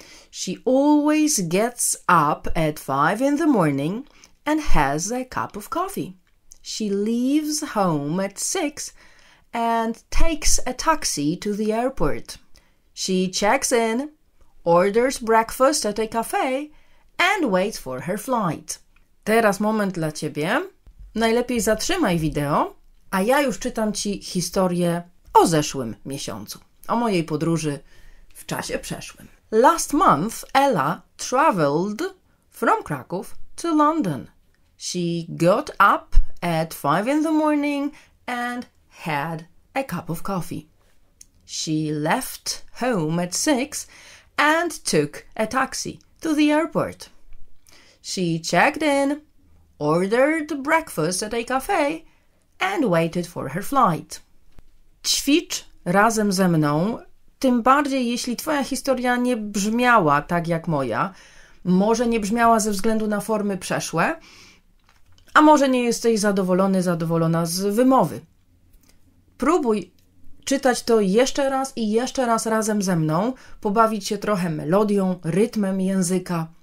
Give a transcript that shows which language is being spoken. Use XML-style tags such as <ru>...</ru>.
<en>She always gets up at 5 in the morning and has a cup of coffee. She leaves home at 6 and takes a taxi to the airport. She checks in, orders breakfast at a cafe and waits for her flight.</en> <pl>Teraz moment dla Ciebie. Najlepiej zatrzymaj wideo, a ja już czytam Ci historię o zeszłym miesiącu, o mojej podróży w czasie przeszłym.</pl> <en>Last month, Ella traveled from Krakow to London. She got up at 5 in the morning and had a cup of coffee. She left home at 6 and took a taxi to the airport. She checked in, ordered breakfast at a cafe and waited for her flight.</en> <pl>Ćwicz razem ze mną, tym bardziej jeśli twoja historia nie brzmiała tak jak moja, może nie brzmiała ze względu na formy przeszłe, a może nie jesteś zadowolony, zadowolona z wymowy. Próbuj czytać to jeszcze raz i jeszcze raz razem ze mną, pobawić się trochę melodią, rytmem języka.</pl>